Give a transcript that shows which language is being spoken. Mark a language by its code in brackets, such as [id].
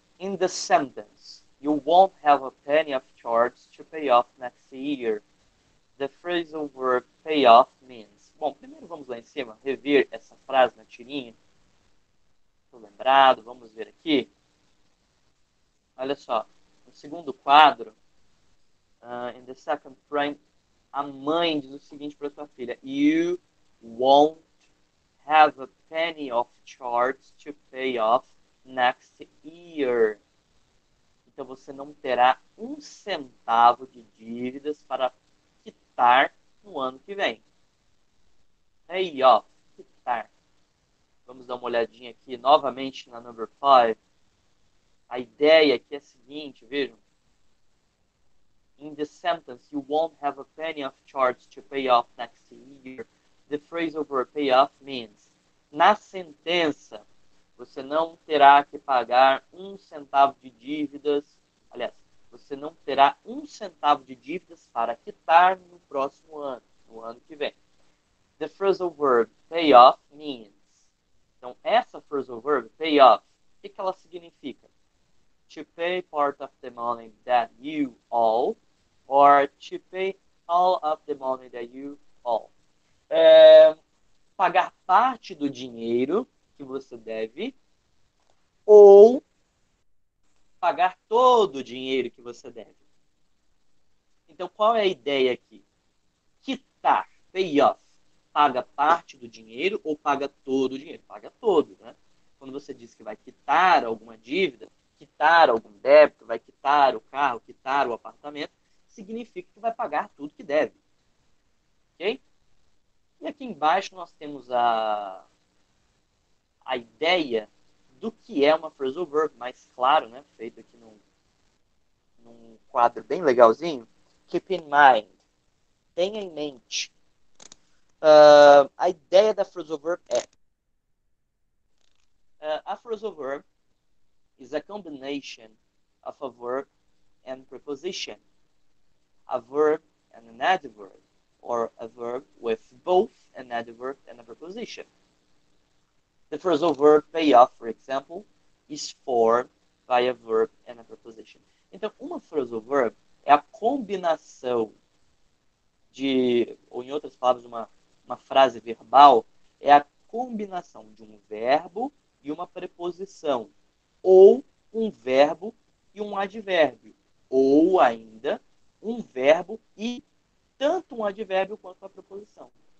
[en] In the sentence, you won't have a penny of charts to pay off next year. The phrasal verb pay off means. [pt] Bom, primeiro vamos lá em cima, rever essa frase na tirinha. Estou lembrado, vamos ver aqui. Olha só, no segundo quadro, [en] in the second frame, [pt] a mãe diz o seguinte para sua filha: [en] You won't have a penny of charts to pay off next year. [pt] Então você não terá um centavo de dívidas para quitar no ano que vem. Aí, ó, quitar. Vamos dar uma olhadinha aqui novamente na number 5. A ideia aqui é a seguinte, vejam. [en] In this sentence, you won't have a penny of charts to pay off next year. The phrasal verb pay off means. [pt] Na sentença, você não terá que pagar um centavo de dívidas. Aliás, você não terá um centavo de dívidas para quitar no próximo ano, no ano que vem. [en] The phrasal verb pay off means. [pt] Então, essa phrasal verb pay off, o que ela significa? [en] To pay part of the money that you owe, or to pay all of the money that you owe. [pt] Pagar parte do dinheiro que você deve, ou pagar todo o dinheiro que você deve. Então, qual é a ideia aqui? Quitar, pay off. Paga parte do dinheiro ou paga todo o dinheiro? Paga todo, né? Quando você diz que vai quitar alguma dívida, quitar algum débito, vai quitar o carro, quitar o apartamento, significa que vai pagar tudo que deve. Ok? E aqui embaixo nós temos a ideia do que é uma phrasal verb mais claro, né? Feito aqui num quadro bem legalzinho. [en] Keep in mind. [pt] Tenha em mente. A ideia da phrasal verb é: [en] a phrasal verb is a combination of a verb and preposition, a verb and an adverb, or a verb with both an adverb and a preposition. The phrasal verb payoff, for example, is formed by a verb and a preposition. [pt] Então, uma phrasal verb é a combinação de, ou em outras palavras, uma frase verbal, é a combinação de um verbo e uma preposição, ou um verbo e um advérbio, ou ainda um verbo e tanto um advérbio quanto a preposição.